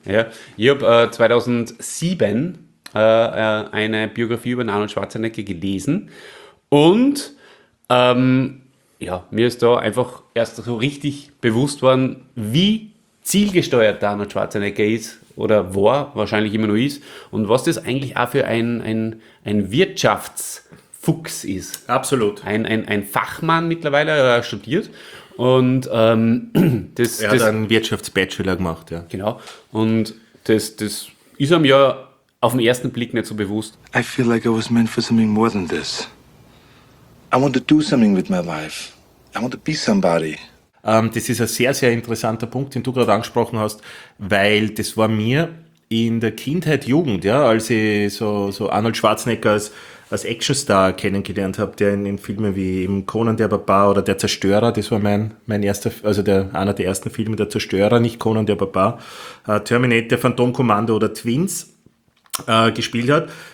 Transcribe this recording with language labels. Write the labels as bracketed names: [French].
[German] Ja, ich habe 2007 eine Biografie über Arnold Schwarzenegger gelesen und mir ist da einfach erst so richtig bewusst worden, wie zielgesteuert der Arnold Schwarzenegger ist oder war, wahrscheinlich immer noch ist, und was das eigentlich auch für ein Wirtschaftsfuchs ist. Absolut. Ein Fachmann mittlerweile, der studiert. Und er hat einen Wirtschaftsbachelor gemacht, ja. Genau. Und das ist einem ja auf den ersten Blick nicht so bewusst. [English] I feel like I was meant for something more than this. I want to do something with my life. I want to be somebody. [German] Das ist ein sehr, sehr interessanter Punkt, den du gerade angesprochen hast, weil das war mir in der Kindheit, Jugend, ja, als ich so Arnold Schwarzenegger als Actionstar kennengelernt habe, der in Filmen wie eben Conan der Barbar oder Der Zerstörer, das war mein erster, also einer der ersten Filme, Der Zerstörer, nicht Conan der Barbar, Terminator, Phantom Commando oder Twins gespielt hat.